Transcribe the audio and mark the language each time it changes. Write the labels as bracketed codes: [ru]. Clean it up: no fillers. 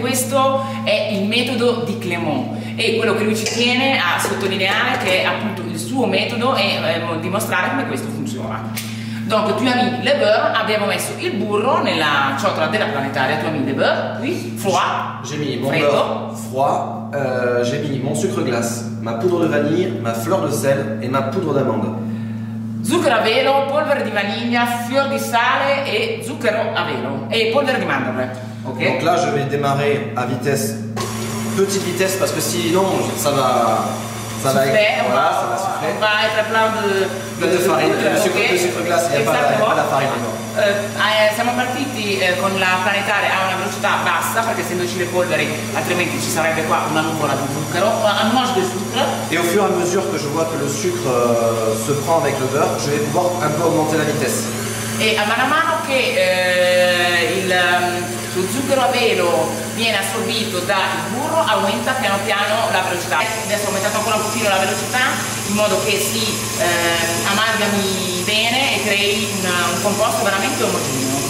[it] Questo è il metodo di Clemont e quello che lui ci tiene a sottolineare che è appunto il suo metodo e dimostrare come questo funziona. [fr] Donc tu as mis le beurre, [it] abbiamo messo il burro nella ciotola della planetaria, [fr] tu as mis le beurre, puis froid. J'ai mis mon beurre froid, j'ai mis mon sucre glace, ma poudre de vanille, ma fleur de sel et ma poudre d'amande. [it] Zucchero a velo, polvere di vaniglia, fior di sale e zucchero a velo e polvere di mandorle. OK. [fr] Donc là je vais démarrer à vitesse petite vitesse parce que sinon ça va souffler, voilà, ça va souffler. On va être plein [it] de farina, [fr] il sucre glace, il n'y a pas la farina. [it] Siamo partiti con la planetaria a una velocità bassa, perché essendoci le polveri, altrimenti ci sarebbe qua una nuvola di zucchero. [fr] Un moche de sucre. Et au fur et à mesure que je vois que le sucre se prend avec le beurre, je vais pouvoir un peu augmenter la vitesse. [it] E a mano che lo zucchero a velo viene assorbito dal burro, aumenta piano piano la velocità. Adesso ho aumentato ancora un pochino la velocità in modo che si amalgami bene e crei un composto veramente omogeneo.